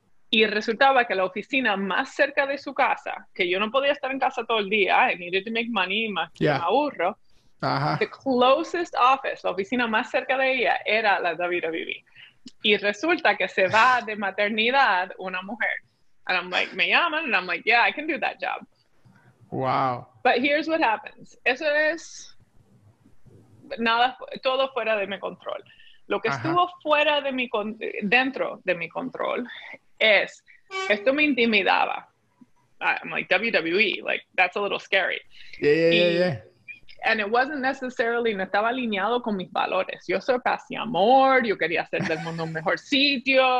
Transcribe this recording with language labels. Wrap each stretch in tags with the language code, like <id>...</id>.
<es>Y resultaba que la oficina más cerca de su casa, que yo no podía estar en casa todo el día,</es> <en>I needed to make money,</en> <es>más que me aburro.</es> <en>The closest office,</en> <es>la oficina más cerca de ella, era la de WWE. Y resulta que se va de maternidad una mujer.</es> <en>And I'm like,</en> <es>me llaman,</es> <en>and I'm like, yeah, I can do that job. Wow. But here's what happens.</en> <es>Eso es nada, todo fuera de mi control. Lo que estuvo fuera de mi, dentro de mi control es, esto me intimidaba.</es> <en>I'm like, WWE, like, that's a little scary. Yeah. And it wasn't necessarily,</en> <es>no estaba alineado con mis valores. Yo soy casi amor, yo quería hacer del mundo un mejor sitio.</es>